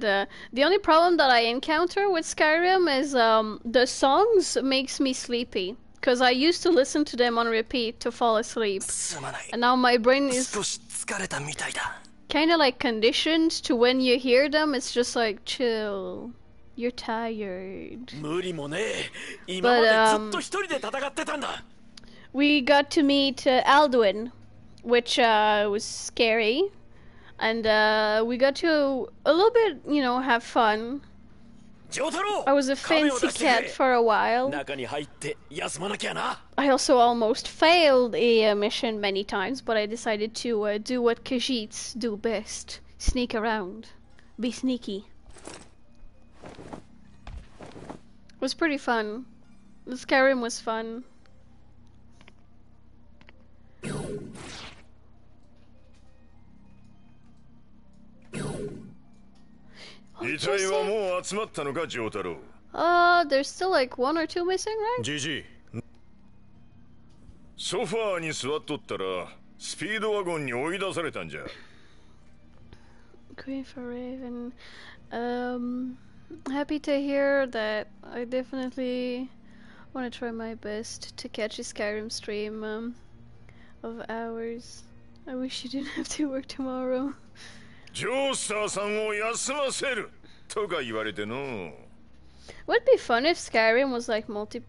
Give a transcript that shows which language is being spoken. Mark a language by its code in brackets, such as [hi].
[en] The only problem that I encounter with Skyrim is the songs makes me sleepy. Because I used to listen to them on repeat to fall asleep. And now my brain is... [ja] 少し疲れたみたいだ。 [en] Kind of like conditioned to when you hear them, it's just like, chill, you're tired. [ja] 無理もね。今までずっと一人で戦ってたんだ。 [en] We got to meet Alduin, which was scary. And we got to a little bit, you know, have fun. I was a fancy cat for a while. [ja] 中に入って休まなきゃな。 [en] I also almost failed a mission many times, but I decided to do what Khajiits do best. Sneak around. Be sneaky. It was pretty fun. The Skyrim was fun. What's that? [ja] 遺体はもう集まったのか、ジョータロ [en] ー。 There's still like one or two missing, right? [ja] ジジイ。ソファーに座っとったら、スピードワゴンに追い出されたんじゃ。 [en] Queen for Raven. Happy to hear that. I definitely want to try my best to catch a Skyrim stream, of hours. I wish you didn't have to work tomorrow. [ja] ジョースターさんを休ませるとか言われての。 [en] Would be fun if Skyrim was like multi.